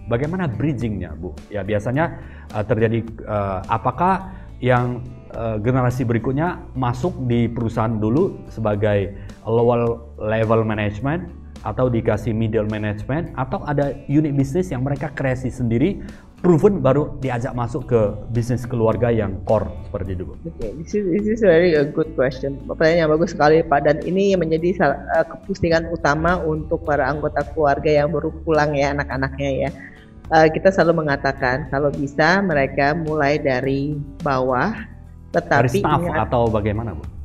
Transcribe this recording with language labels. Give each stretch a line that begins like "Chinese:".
Indonesian: Bagaimana bridgingnya Bu? Ya biasanya terjadi apakah yang generasi berikutnya masuk di perusahaan dulu sebagai lower level management atau dikasih middle management, atau ada unit bisnis yang mereka kreasi sendiri, proven, baru diajak masuk ke bisnis keluarga yang core seperti itu.
English: This is very a good question.
Indonesian: Pertanyaan yang bagus sekali Pak, dan ini menjadi kepusingan utama untuk para anggota keluarga yang baru pulang ya, anak-anaknya ya. Kita selalu mengatakan kalau bisa mereka mulai dari bawah. Tetapi dari staff ingat, atau bagaimana Bu?